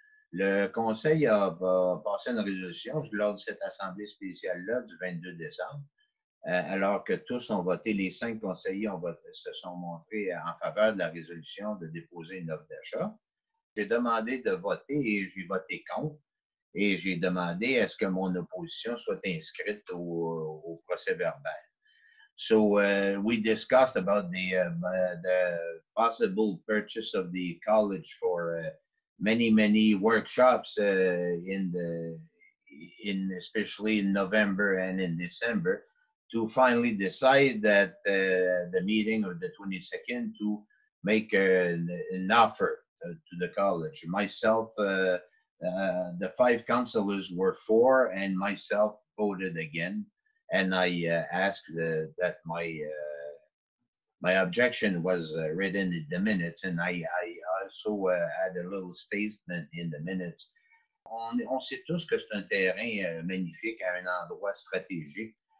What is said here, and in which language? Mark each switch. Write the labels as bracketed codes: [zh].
[fr] Le conseil a passé une résolution lors de cette assemblée spéciale-là du 22 décembre, alors que tous ont voté, les cinq conseillers ont voté, se sont montrés en faveur de la résolution de déposer une offre d'achat. J'ai demandé de voter et j'ai voté contre. Et j'ai demandé à ce que mon opposition soit inscrite au procès verbal. [en] So, we discussed about the possible purchase of the college for many, many workshops in especially in November and in December to finally decide that the meeting of the 22nd to make an offer to the college. Myself, the five councillors were for, and myself voted again, and I asked that my objection was written in the minutes, and I also had a little statement in the minutes. [fr] On sait tous que c'est un terrain magnifique à un endroit stratégique.